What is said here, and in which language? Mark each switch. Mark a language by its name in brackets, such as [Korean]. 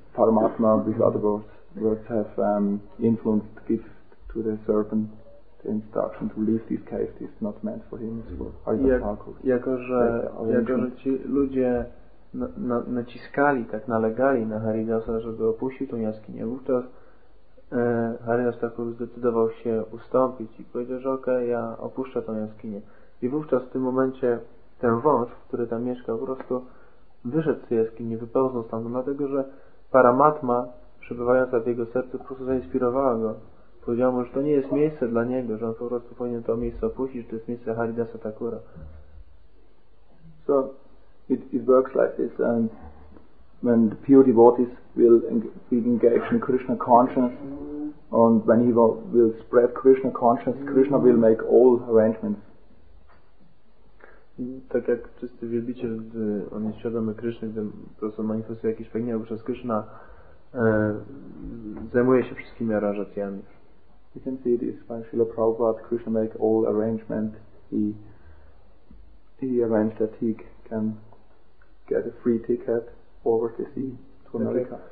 [English] Paramatma, with other words have influenced give to the serpent the instruction to leave this cave. This is not meant for him. It's for Haridas Thakur. [Polish] Jako że ci ludzie naciskali, tak nalegali na Haridasa, żeby opuścił tą jaskinię, wówczas Haridas Thakur zdecydował się ustąpić i powiedział, że okej, ja opuszczę tą jaskinię. I wówczas w tym momencie ten wąż, który tam mieszkał, po prostu wyszedł z tej jaskini, wypełznął tam, dlatego że Paramatma, przebywająca w jego sercu, po prostu zainspirowała go. Powiedział mu, że to nie jest miejsce dla niego, że on po prostu powinien to miejsce opuścić, że to jest miejsce Haridasa Thakura. [English] So it works like this, and when the pure devotees will be engaged in Krishna consciousness, and when he will spread Krishna consciousness, Krishna will make all arrangements. [Polish] Tak jak czysty wielbiciel, gdy on jest świadomy Krishna, gdy po prostu manifestuje jakieś pragnienia, wówczas Krishna zajmuje się wszystkimi aranżacjami. [English] You can see this by Srila Prabhupada, Krishna make all arrangements. He arranged that he can get a free ticket over the sea to America.